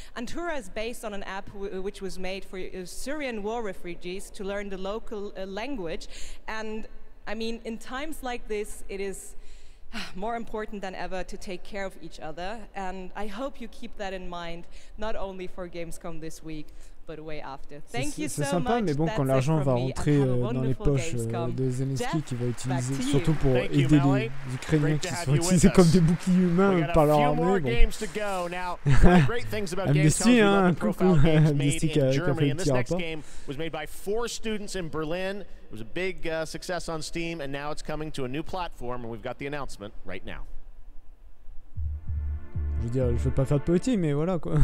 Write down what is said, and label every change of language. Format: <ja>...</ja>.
<en>Antura is based on an app which was made for Syrian war refugees to learn the local language. And I mean, in times like this, it is more important than ever to take care of each other. And I hope you keep that in mind, not only for Gamescom this week, but way after. Thank you so</en> <fr>c'est sympa,</fr> <en>much.</en> <fr>Mais bon, quand l'argent va rentrer dans les poches de Zelensky, qui va utiliser surtout pour aider les Ukrainiens qui sont utilisés comme des boucliers humains par leur armée. Bon. Amnesty, hein, coucou. Amnesty qui a fait un petit rapport.</fr> <en>This game was made by 4 students in Berlin. It was a big success on Steam, and now it's coming to a new platform, and we've got the announcement right now.</en> <fr>Je veux dire, je veux pas faire de poétie, mais voilà quoi.</fr>